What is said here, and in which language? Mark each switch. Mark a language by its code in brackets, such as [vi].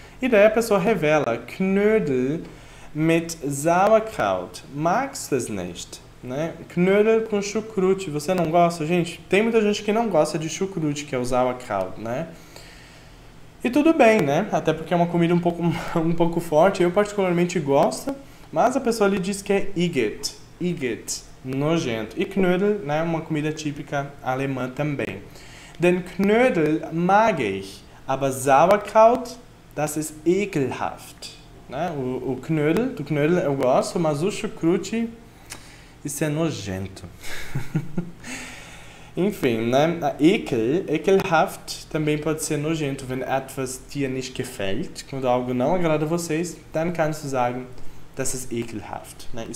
[pt] E daí a pessoa revela: [de] Knödel mit Sauerkraut, magst du es nicht? [pt] Né? Knödel com chucrute, você não gosta? Gente, tem muita gente que não gosta de chucrute, que é o Sauerkraut, né? E tudo bem, né? Até porque é uma comida um pouco forte. Eu particularmente gosto, mas a pessoa ali diz que é Igitt. Igitt, nojento. E Knödel, né? Uma comida típica alemã também. [de] Den Knödel mag ich, aber Sauerkraut, das ist ekelhaft. [pt] Né? O Knödel, do Knödel eu gosto, mas o chucrute, isso é nojento. Enfim, né? Ekelhaft também pode ser nojento, [de] wenn etwas dir nicht gefällt. [pt] Quando algo não agrada a vocês, [de] dann kannst du sagen, das ist ekelhaft. Né?